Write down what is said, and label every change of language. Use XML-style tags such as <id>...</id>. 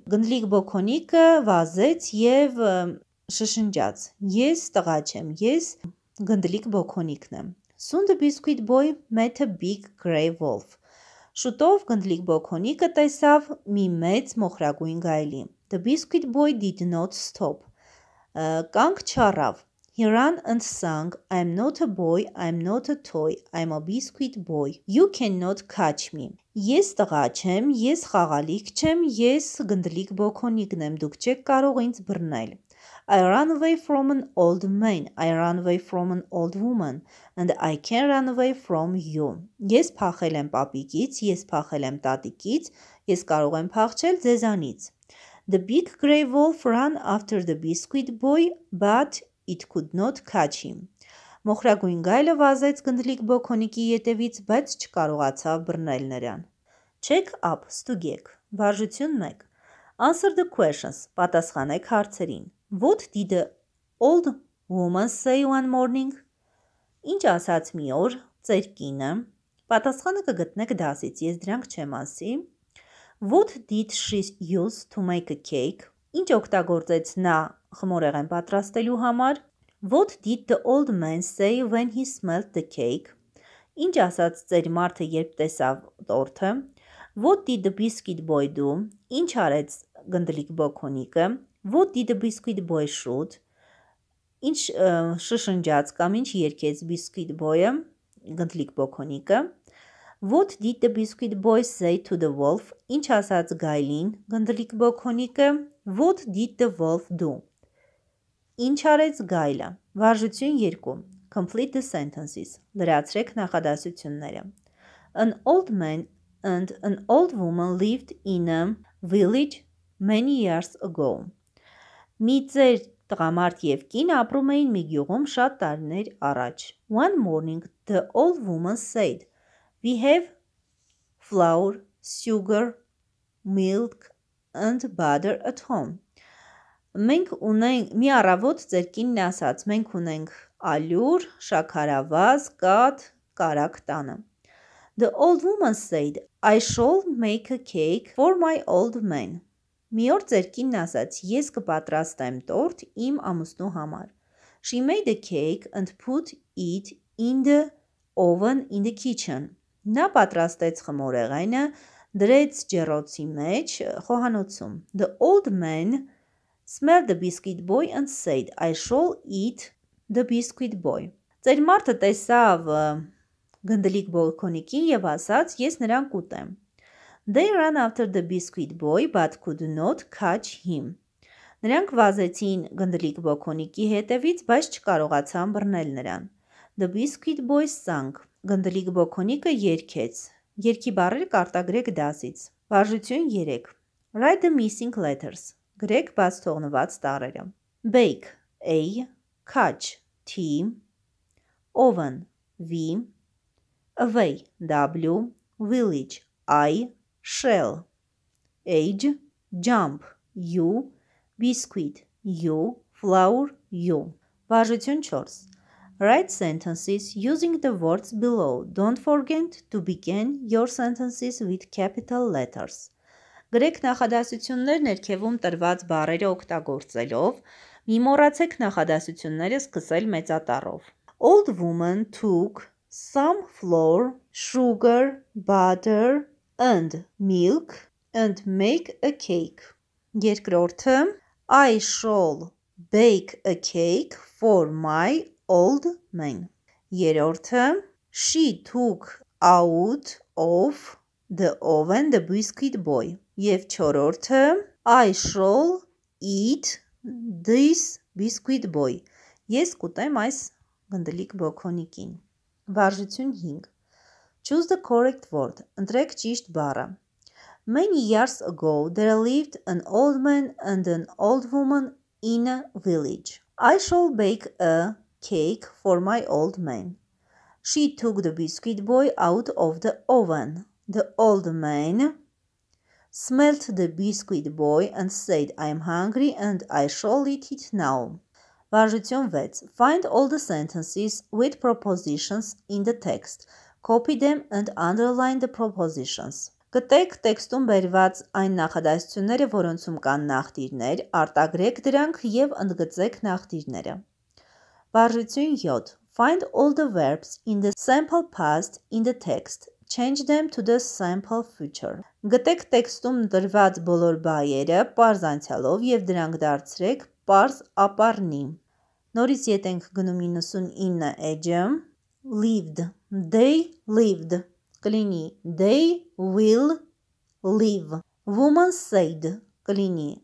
<hy>Գնդլիկ բոքոնիկը վազեց եւ շշնջաց. «Ես տղա չեմ, ես գնդլիկ բոքոնիկն եմ»։</hy> <en>Soon the biscuit boy met a big grey wolf.</en> <hy>Շուտով գնդլիկ բոքոնիկը տեսավ մի մեծ մոխրագույն գայլի։</hy> <en>The biscuit boy did not stop.</en> <hy>Կանգ չառավ։</hy> <en>He ran and sang, "I'm not a boy, I'm not a toy, I'm a biscuit boy. You cannot catch me."</en> <hy>Ես տղա չեմ, ես խաղալիք չեմ, ես գնդլիկ բոքոնիկն եմ, դուք չեք կարող ինձ բռնել։</hy> <en>I ran away from an old man, I ran away from an old woman, and I can run away from you.</en> <hy>Ես փախել եմ պապիկից, ես փախել եմ տատիկից, ես կարող եմ փախչել ձեզանից։</hy> <en>The big grey wolf ran after the biscuit boy, but it could not catch him.</en> <hy>Մոխրագույն գայլը վազեց գնդլիկ բոքոնիկի ետևից, բայց չկարողացավ բռնել նրան։</hy> <en>Check up,</en> <hy>ստուգեք։ Վարժություն 1.</hy> <en>Answer the questions.</en> <hy>Պատասխանեք հարցերին.</hy> <en>What did the old woman say one morning?</en> <hy>Ինչ ասաց մի օր ծերկինը? Պատասխանը կգտնեք դասից, ես դրանք չեմ ասի։</hy> <en>What did she use to make a cake?</en> <hy>Ինչ օգտագործեց նա խմորեղեն պատրաստելու համար?</hy> <en>What did the old man say when he smelled the cake?</en> <hy>Ինչ ասաց ծեր մարդը, երբ տեսավ տորթը?</hy> <en>What did the biscuit boy do?</en> <hy>Ինչ արեց գնդլիկ բոքոնիկը?</hy> <en>What did the biscuit boy shout?</en> <hy>Ինչ շշնջաց կամ ինչ երկեց biscuit boy-ը գնդլիկ բոքոնիկը?</hy> <en>What did the biscuit boy say to the wolf?</en> <hy>Ինչ ասաց գայլին գնդլիկ բոքոնիկը?</hy> <en>What did the wolf do?</en> <hy>Ինչ արեց գայլը? Վարժություն 2.</hy> <en>Complete the sentences.</en> <hy>Լրացրեք նախադասությունները.</hy> <en>An old man and an old woman lived in a village many years ago.</en> <hy>Մի ծեր տղամարդ եւ կին ապրում էին մի գյուղում շատ տարիներ առաջ։</hy> <en>One morning the old woman said, "We have flour, sugar, milk and butter at home.</en> <hy>Մենք ունենք մի առավոտ ձերքինն ասաց, մենք ունենք ալյուր, շաքարավազ, կաթ, կարակ տանը.</hy> <en>The old woman said, I shall make a cake for my old man.</en> <hy>Մի օր ձերքինն ասաց, ես կպատրաստեմ տորտ իմ ամուսնու համար.</hy> <en>She made a cake and put it in the oven in the kitchen.</en> <hy>Նա պատրաստեց խմորեղենը, դրեց ջեռոցի մեջ խոհանոցում.</hy> <en>The old man smelled the biscuit boy and said, I shall eat the biscuit boy.</en> <hy>Ձեր մարդը տեսավ գնդլիկ բոլկոնիկին և ասաց, ես նրան կուտեմ.</hy> <en>They ran after the biscuit boy, but could not catch him. Նրանք վազեցին գնդլիկ բոկոնիկի հետևից, բայց չկարողացան բռնել նրան. The biscuit boy sang.</en> <hy>Գնդլիկ բոկոնիկը երգեց. Երգի բառեր կարտագրեք դասից. Վարժություն 3.</hy> <en>Write the missing letters.</en> <hy>Գրեք բաց թողնված տառերը.</hy> <en>Bake. A. Catch. T. Oven. V. Away. W. Village. I. Shell. Age. Jump. U. Biscuit. U. Flower. U.</en> <hy>Վարժություն 4.</hy> <en>Write sentences using the words below. Don't forget to begin your sentences with capital letters.</en> <hy>Գրեք նախադասություններ ներքևում տրված բառերը օգտագործելով, մի մոռացեք նախադասությունները սկսել մեծատառով.</hy> <en>Old woman took some flour, sugar, butter, and milk and make a cake.</en> <hy>Երկրորդը.</hy> <en>I shall bake a cake for my old man.</en> <hy>Երրորդը.</hy> <en>She took out of the oven the biscuit boy.</en> <hy>Եվ չորրորդը.</hy> <en>I shall eat this biscuit boy.</en> <hy>Ես կուտեմ այս գնդլիկ բոկոնիկին. Վարժություն 5.</hy> <en>Choose the correct word.</en> <hy>Ընտրեք ճիշտ բառը.</hy> <en>Many years ago, there lived an old man and an old woman in a village. I shall bake a cake for my old man. She took the biscuit boy out of the oven. The old man smelt the biscuit boy and said, I'm hungry and I shall eat it now.</en> <hy>Վարժություն 6.</hy> <en>Find all the sentences with prepositions in the text. Copy them and underline the prepositions.</en> <hy>Գտեք տեքստում բերված այն նախադասությունները, որոնցում կան նախտիրներ, արտագրեք դրանք և ընդգծեք նախտիրները. Վարժություն 7.</hy> <en>Find all the verbs in the sample past in the text. Change them to the sample future.</en> <hy>Գտեք տեքստում դրված բոլոր բայերը պարզ անցյալով և դրանք դարձրեք պարզ ապառնի. Նորից ետենք գնում 99 էջը.</hy> <en>Lived. They lived.</en> <hy>Կլինի.</hy> <en>They will live. Woman said. Կլինի.</en>